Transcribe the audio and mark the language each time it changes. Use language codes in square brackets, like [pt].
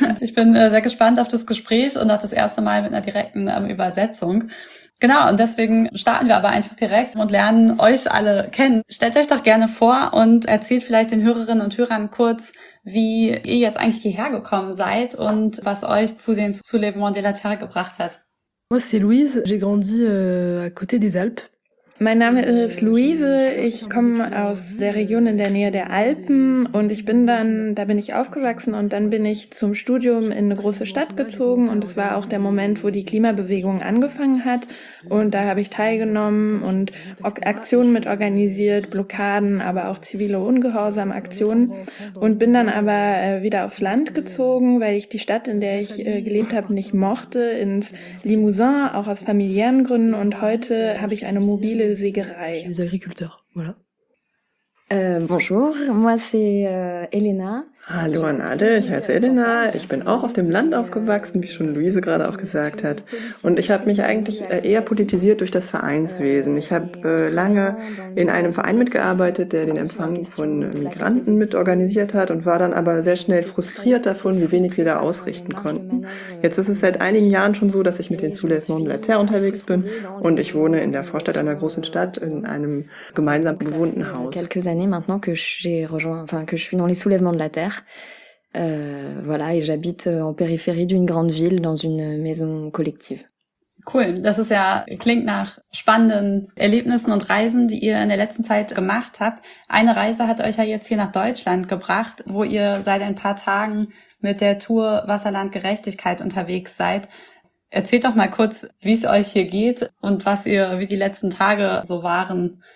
[de] Ich bin sehr gespannt auf das Gespräch und auch das erste Mal mit einer direkten Übersetzung. Genau, und deswegen starten wir aber einfach direkt und lernen euch alle kennen. Stellt euch doch gerne vor und erzählt vielleicht den Hörerinnen und Hörern kurz, wie ihr jetzt eigentlich hierher gekommen seid und was euch zu den Soulèvements de la Terre gebracht hat. [fr] Moi, c'est Louise, j'ai grandi à côté des Alpes. [de] Mein Name ist Louise, ich komme aus der Region in der Nähe der Alpen und ich bin dann, da bin ich aufgewachsen und dann bin ich zum Studium in eine große Stadt gezogen und es war auch der Moment, wo die Klimabewegung angefangen hat und da habe ich teilgenommen und Aktionen mit organisiert, Blockaden, aber auch zivile Ungehorsam-Aktionen und bin dann aber wieder aufs Land gezogen, weil ich die Stadt, in der ich gelebt habe, nicht mochte, ins Limousin, auch aus familiären Gründen und heute habe ich eine mobile [fr] Les agriculteurs, voilà. Bonjour, moi c'est Elena. [de] Hallo an alle, ich heiße Elena. Ich bin auch auf dem Land aufgewachsen, wie schon Louise gerade auch gesagt hat. Und ich habe mich eigentlich eher politisiert durch das Vereinswesen. Ich habe lange in einem Verein mitgearbeitet, der den Empfang von Migranten mitorganisiert hat und war dann aber sehr schnell frustriert davon, wie wenig wir da ausrichten konnten. Jetzt ist es seit einigen Jahren schon so, dass ich mit den Soulèvements de la Terre unterwegs bin und ich wohne in der Vorstadt einer großen Stadt in einem gemeinsam bewohnten Haus. [fr] Quelques années maintenant que j'ai rejoint, enfin que je suis dans les Soulèvements de la Terre. Voilà, et j'habite en périphérie d'une grande ville dans une maison collective. [de] Cool, das ist ja, klingt nach spannenden Erlebnissen und Reisen, die ihr in der letzten Zeit gemacht habt. Eine Reise hat euch ja jetzt hier nach Deutschland gebracht, wo ihr seit ein paar Tagen mit der Tour Wasserland Gerechtigkeit unterwegs seid. Erzählt doch mal kurz, wie es euch hier geht und wie die letzten Tage so waren.